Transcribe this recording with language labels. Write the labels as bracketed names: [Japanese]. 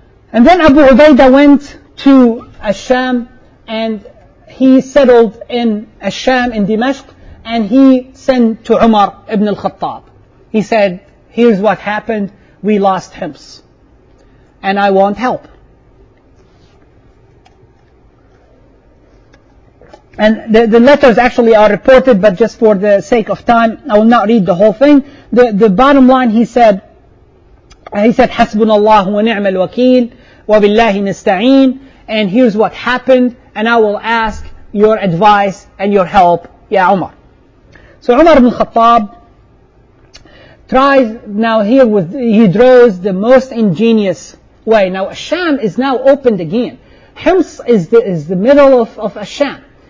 [English] And then Abu Ubaidah went to Ash-Sham, and he settled in Ash-Sham in Dimashq, and he sent to Umar ibn al-Khattab. He said, here's what happened, we lost Homs, and I want help. And the letters actually are reported, but just for the sake of time, I will not read the whole thing. The bottom line, he said, [Arabic] حَسْبُنَ اللَّهُ وَنِعْمَ الْوَكِيلُ وَبِاللَّهِ نَسْتَعِينُ. [English] And here's what happened, and I will ask your advice and your help, Ya Umar. So Umar ibn Khattab tries now here with, he draws the most ingenious way. Now Ash-Sham is now opened again. Homs is the middle of Ash-Sham.